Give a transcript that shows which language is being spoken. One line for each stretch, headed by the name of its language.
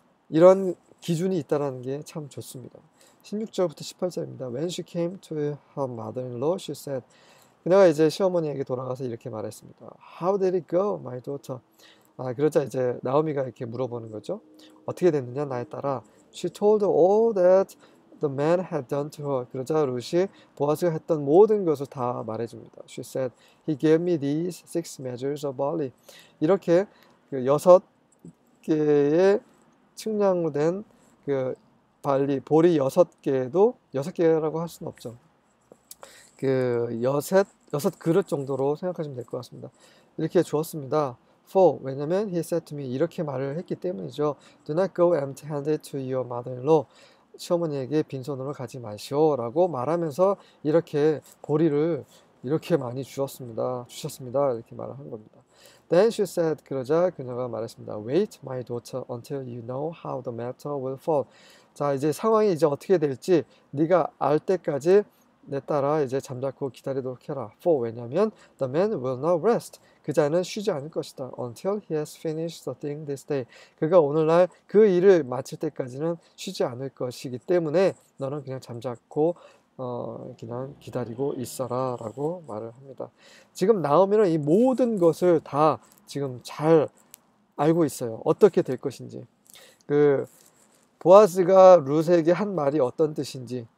Korean: 이런 기준이 있다는 게참 좋습니다. 16절부터 18절입니다.
English: When she came to her mother-in-law, she said,
Korean: 그녀가 이제 시어머니에게 돌아가서 이렇게 말했습니다.
English: How did it go, my daughter?
Korean: 아, 그러자 이제 나오미가 이렇게 물어보는 거죠. 어떻게 됐느냐, 나에 따라.
English: She told all that The man had done to her.
Korean: 그러자 루시 보아스가 했던 모든 것을 다 말해줍니다.
English: She said, He gave me these 6 measures of barley.
Korean: 이렇게 그 6개의 측량된 그 발리, 보리 6개라고 할 수는 없죠. 여섯 그릇 정도로 생각하시면 될것 같습니다. 이렇게 주었습니다.
English: For,
Korean: 왜냐면
English: he said to me,
Korean: 이렇게 말을 했기 때문이죠.
English: Do not go empty-handed to your mother-in-law.
Korean: 시어머니에게 빈손으로 가지 마시오라고 말하면서 이렇게 보리를 이렇게 많이 주셨습니다. 이렇게 말을 한 겁니다.
English: Then she said,
Korean: 그러자 그녀가 말했습니다.
English: Wait, my daughter, until you know how the matter will fall.
Korean: 자, 이제 상황이 이제 어떻게 될지 네가 알 때까지 내 딸아 이제 잠자코 기다리도록 해라.
English: For,
Korean: 왜냐면
English: the man will not rest.
Korean: 그 자는 쉬지 않을 것이다.
English: Until he has finished the thing this day.
Korean: 그가 오늘날 그 일을 마칠 때까지는 쉬지 않을 것이기 때문에 너는 그냥 잠자코 그냥 기다리고 있어라 라고 말을 합니다. 지금 나오미는 이 모든 것을 다 지금 잘 알고 있어요. 어떻게 될 것인지. 그 보아스가 룻에게 한 말이 어떤 뜻인지.